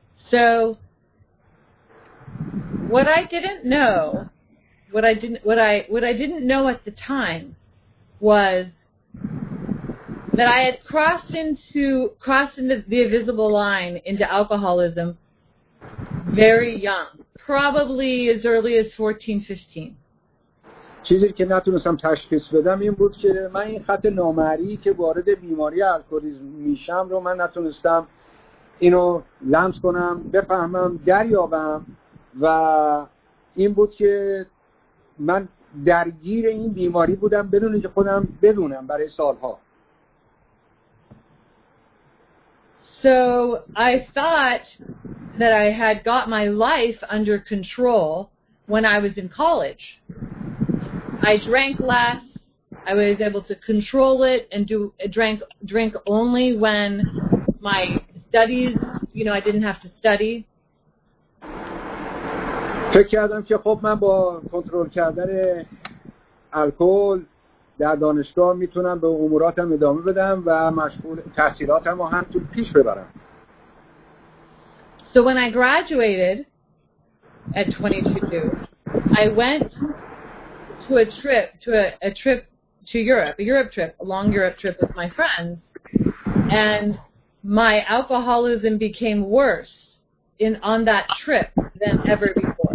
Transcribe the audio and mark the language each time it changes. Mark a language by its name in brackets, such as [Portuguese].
[English] So what I didn't know at the time was that I had crossed into the invisible line into alcoholism very young, probably as early as 14, 15. [Persian] چیزی که نتونستم تشخیص بدم این بود که من این خط نامرئی که وارد بیماری الکلیسم میشم رو من نتونستم اینو لمس کنم، بفهمم، دریابم و این بود که من درگیر این بیماری بودم بدون اینکه خودم بدونم برای سالها. [English] So I thought that I had got my life under control when I was in college. I drank less. I was able to control it and drink only when my studies, you know, I didn't have to study. [Persian] فکر کردم که خب من با کنترل کردن الکل در دانشگاه میتونم به اموراتم ادامه بدم و مشغول تحصیلاتم رو هم تو پیش ببرم. [English] So when I graduated at 22, I went to a trip to Europe, a long Europe trip with my friends, and my alcoholism became worse on that trip than ever before.